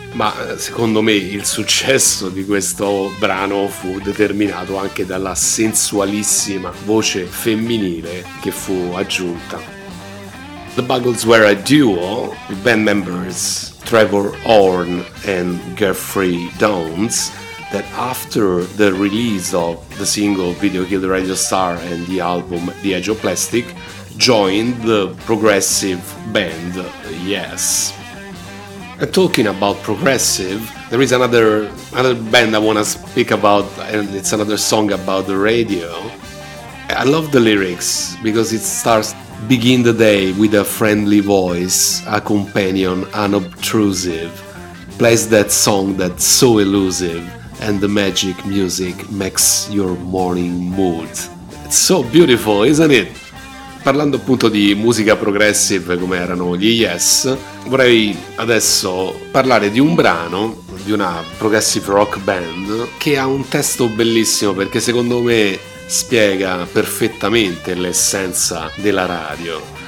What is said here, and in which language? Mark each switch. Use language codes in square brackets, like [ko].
[it] Ma secondo me il successo di questo brano fu determinato anche dalla sensualissima voce femminile che fu aggiunta. [en] The Buggles were a duo, band members Trevor Horn and Geoffrey Downes, that after the release of the single Video Kill the Radio Star and the album The Age of Plastic, joined the progressive band Yes. And talking about progressive, there is another band I want to speak about, and it's another song about the radio. I love the lyrics because it starts, "Begin the day with a friendly voice, a companion unobtrusive. Plays that song that's so elusive, and the magic music makes your morning mood." It's so beautiful, isn't it? [it] Parlando appunto di musica progressive come erano gli Yes, vorrei adesso parlare di un brano di una progressive rock band che ha un testo bellissimo perché secondo me spiega perfettamente l'essenza della radio.